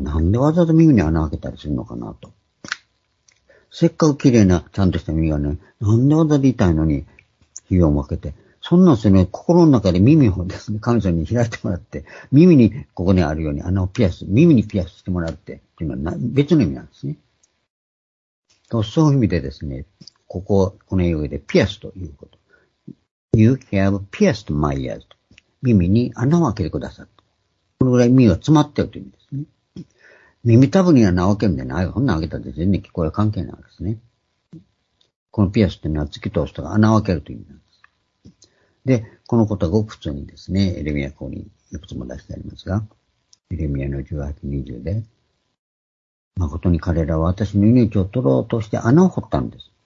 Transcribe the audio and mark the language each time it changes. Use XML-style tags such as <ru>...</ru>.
<ja>なんでわざわざ耳に穴を開けたりするのかなと。せっかく綺麗な、ちゃんとした耳がね、なんでわざわざ痛いのに、耳を開けて、そんなんですね、心の中で耳をですね、神様に開いてもらって、耳にここにあるように穴をピアス、耳にピアスしてもらって、っていうのは別の意味なんですね。と、そういう意味でですね、この用意でピアスということ。</ja> <en>You have pierced my ears.</en> <ja>耳に穴を開けてくださった。このぐらい耳は詰まっているという意味ですね。耳たぶに穴を開けるんじゃない。こんなん開けたって全然聞こえは関係ないですね。このピアスというのは突き通すとか穴を開けるという意味なんです。で、このことはごく普通にですね、エレミア書にいくつも出してありますが、エレミアの18、20で、誠に彼らは私の命を取ろうとして穴を掘ったんです。</ja>